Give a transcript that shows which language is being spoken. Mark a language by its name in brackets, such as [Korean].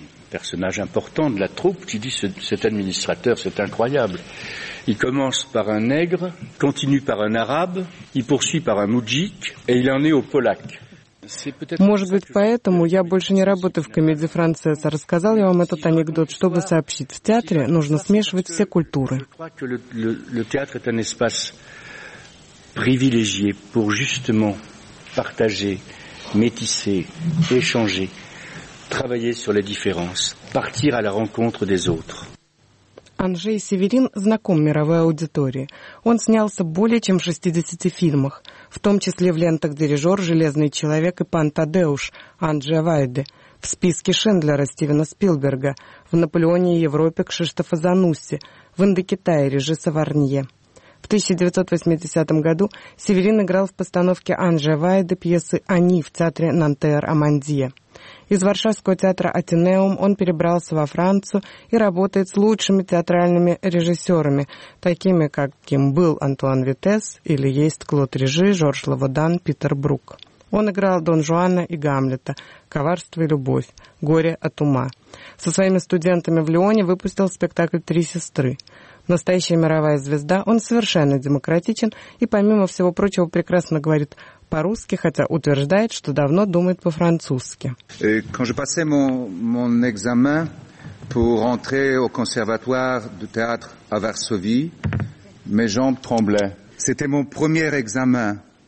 [French] Personnage important de la troupe qui dit cet administrateur, c'est incroyable. Il commence par un nègre, continue par un arabe, il poursuit par un moudjik, et il en est au polac. [Russian] Может быть, поэтому я больше не работаю в комедии «Францесс», а рассказал я вам этот анекдот, чтобы сообщить. В театре нужно смешивать все культуры. [French] Le théâtre est un espace privilégié pour justement partager, métisser, échanger. travailler sur les différences, partir à la rencontre des autres. [Russian] Анжей Северин знаком мировой аудитории. Он снялся более чем в 60 фильмах, в том числе в лентах «Дирижер», «Железный человек» и «Пантадеуш» Анджея Вайды, в «Списке Шиндлера» Стивена Спилберга, в «Наполеоне и Европе» Кшиштофа Занусси, в «Индокитае» режисса Варнье. В 1980 году Северин играл в постановке Анджея Вайды пьесы «Они» в театре «Нантер-Амандье». Из Варшавского театра «Атенеум» он перебрался во Францию и работает с лучшими театральными режиссерами, такими, каким был Антуан Витес или есть Клод Режи, Жорж Лаводан, Питер Брук. Он играл Дон Жуана и Гамлета, «Коварство и любовь», «Горе от ума». Со своими студентами в Лионе выпустил спектакль «Три сестры». Настоящая мировая звезда, он совершенно демократичен и, помимо всего прочего, прекрасно говорит по-русски, хотя утверждает, что давно думает по-французски. [French] Quand je passais mon examen pour entrer au conservatoire de théâtre à Varsovie, mes jambes tremblaient. C'était mon premier examen.